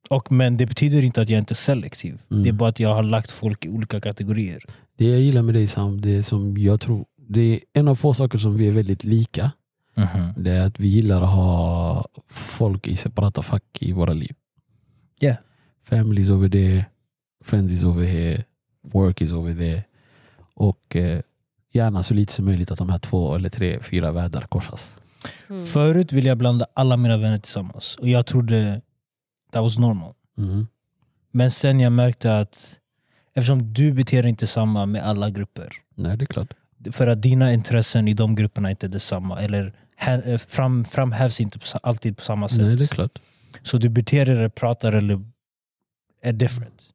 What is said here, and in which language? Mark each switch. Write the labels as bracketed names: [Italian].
[Swedish] Men det betyder inte att jag inte är selektiv. Mm. Det är bara att jag har lagt folk i olika kategorier. Det jag gillar med dig Sam, det som jag tror, det är en av få saker som vi är väldigt lika. Mm-hmm. Det är att vi gillar att ha folk i separata fack i våra liv. Yeah. [English] Family is over there, friends is over here, work is over there. [Swedish] Och gärna så lite som möjligt att de här 2 eller 3, 4 världar korsas. Mm. Förut ville jag blanda alla mina vänner tillsammans. Och jag trodde [English] that was normal. Mm-hmm. [Swedish] Men sen jag märkte att eftersom du beter dig inte samma med alla grupper. Nej, det är klart. För att dina intressen i de grupperna inte är detsamma. Eller framhävs inte alltid på samma sätt. Nej, det är klart. Så du beter dig, pratar eller är different.